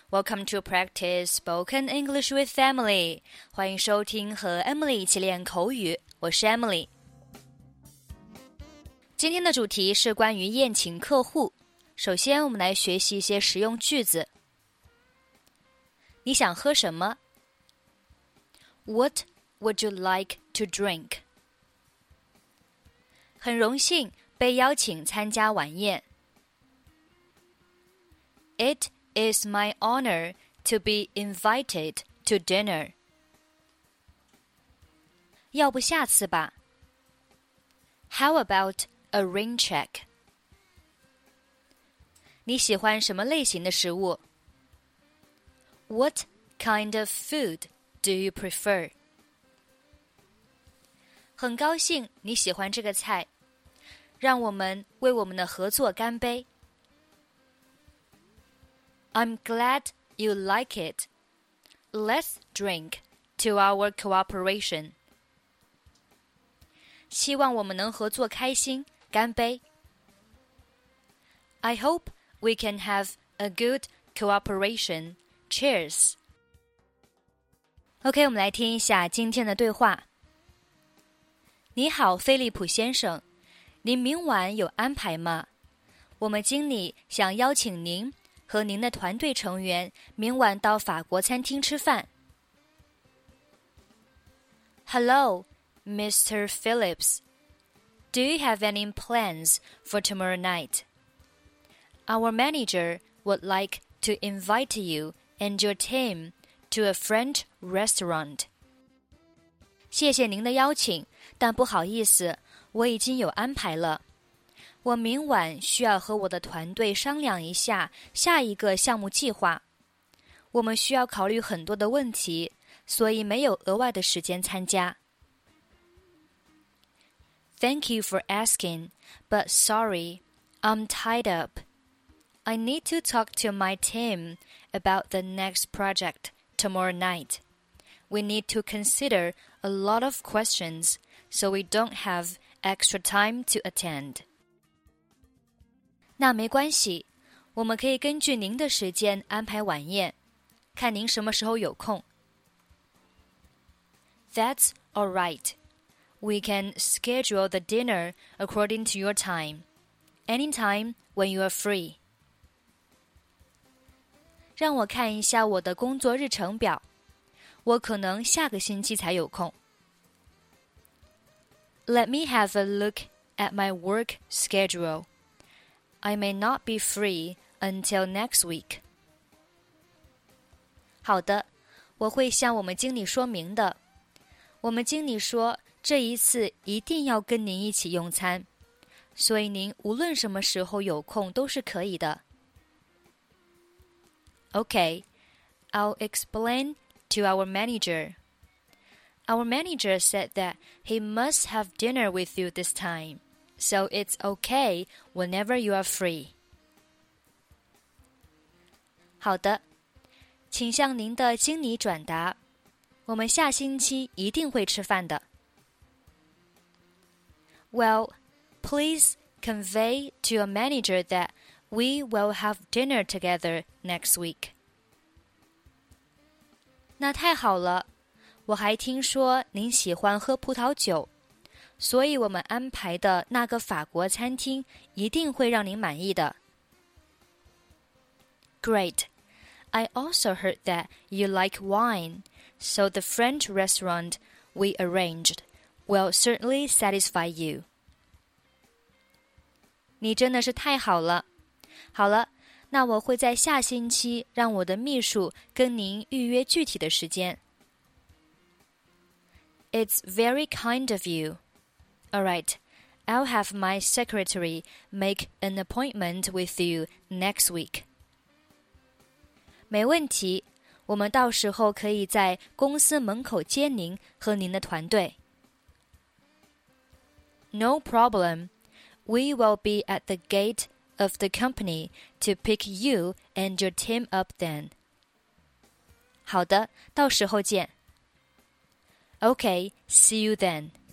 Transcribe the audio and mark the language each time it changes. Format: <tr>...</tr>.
<en>Welcome to Practice Spoken English with Emily.</en> <zh>欢迎收听和 Emily 一起练口语。我是 Emily。今天的主题是关于宴请客户。首先我们来学习一些实用句子。你想喝什么？</zh> <en>What would you like to drink?</en> <zh>很荣幸被邀请参加晚宴。</zh> <en>It is my honor to be invited to dinner.</en> <zh>要不下次吧。</zh> <en>How about a ring check?</en> <zh>你喜欢什么类型的食物？</zh> <en>What kind of food do you prefer?</en> <zh>很高兴你喜欢这个菜。让我们为我们的合作干杯。</zh> <en>I'm glad you like it. Let's drink to our cooperation.</en> <zh>希望我们能合作开心，干杯。</zh> <en>I hope we can have a good cooperation. Cheers.</en> <zh>OK, 我们来听一下今天的对话。你好，菲利普先生，您明晚有安排吗？我们经理想邀请您和您的团队成员明晚到法国餐厅吃饭。</zh> <en>Hello, Mr. Phillips. Do you have any plans for tomorrow night? Our manager would like to invite you and your team to a French restaurant.</en> <zh>谢谢您的邀请，但不好意思，我已经有安排了。我明晚需要和我的团队商量一下下一个项目计划。我们需要考虑很多的问题，所以没有额外的时间参加。</zh> <en>Thank you for asking, but sorry, I'm tied up. I need to talk to my team about the next project tomorrow night. We need to consider a lot of questions, so we don't have extra time to attend.</en> <zh>那没关系，我们可以根据您的时间安排晚宴，看您什么时候有空。</zh> <en>That's all right. We can schedule the dinner according to your time. Anytime when you are free.</en> <zh>让我看一下我的工作日程表，我可能下个星期才有空。</zh> <en>Let me have a look at my work schedule. I may not be free until next week.</en> <zh>好的，我会向我们经理说明的。我们经理说，这一次一定要跟您一起用餐，所以您无论什么时候有空都是可以的。</zh> <en>Okay, I'll explain to our manager. Our manager said that he must have dinner with you this time. So it's okay whenever you are free.</en> <zh>好的，请向您的经理转达，我们下星期一定会吃饭的。</zh> <en>Well, please convey to your manager that we will have dinner together next week.</en> <zh>那太好了，我还听说您喜欢喝葡萄酒。所以我们安排的那个法国餐厅一定会让您满意的。</zh> <en>Great. I also heard that you like wine, so the French restaurant we arranged will certainly satisfy you.</en> <zh>你真的是太好了。好了，那我会在下星期让我的秘书跟您预约具体的时间。</zh> <en>It's very kind of you. Alright, I'll have my secretary make an appointment with you next week.</en> <zh>没问题，我们到时候可以在公司门口接您和您的团队。</zh> <en>No problem. We will be at the gate of the company to pick you and your team up then.</en> <zh>好的，到时候见。</zh> <en>Okay, see you then.</en>